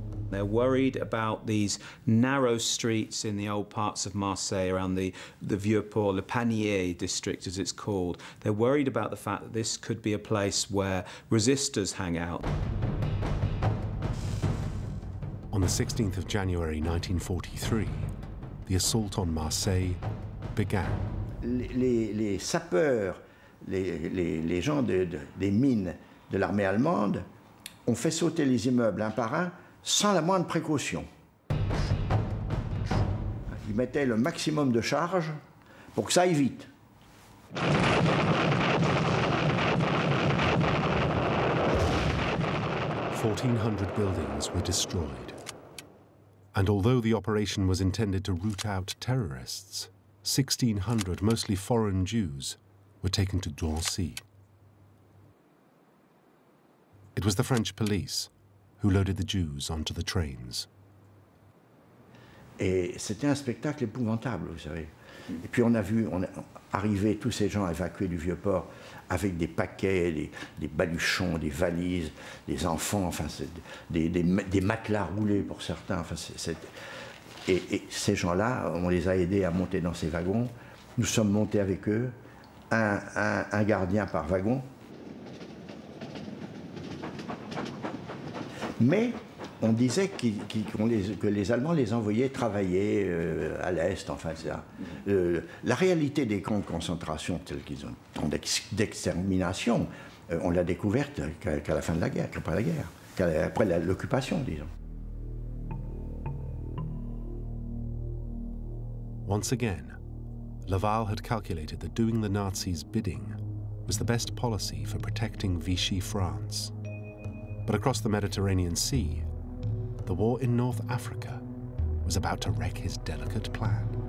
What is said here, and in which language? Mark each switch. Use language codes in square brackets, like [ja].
[en] They're worried about these narrow streets in the old parts of Marseille, around the Vieux-Port, Le Panier district, as it's called. They're worried about the fact that this could be a place where resistors hang out. On the 16th of January 1943, the assault on Marseille began. [fr] Les sapeurs, les gens des mines de l'armée allemande ont fait sauter les immeubles un par un, sans la moindre précaution. Ils mettaient le maximum de charge pour que ça aille vite. [en] Buildings were destroyed. And although the operation was intended to root out terrorists, 1,600, mostly foreign Jews, were taken to Drancy. It was the French police who loaded the Jews onto the trains. [fr] Et c'était un spectacle épouvantable, vous savez. Et puis on a vu arriver tous ces gens évacués du Vieux-Port avec des paquets, des baluchons, des valises, des enfants, enfin, des matelas roulés pour certains. Enfin, Et ces gens-là, on les a aidés à monter dans ces wagons. Nous sommes montés avec eux, un gardien par wagon. Mais on disait que les Allemands les envoyaient travailler à l'Est, enfin, etc. La réalité des camps de concentration, tels qu'ils ont, d'extermination, on l'a découverte qu'à la fin de la guerre, qu'après la guerre, qu'après l'occupation, disons. [en] Once again, Laval had calculated that doing the Nazis' bidding was the best policy for protecting Vichy France. But across the Mediterranean Sea, the war in North Africa was about to wreck his delicate plan.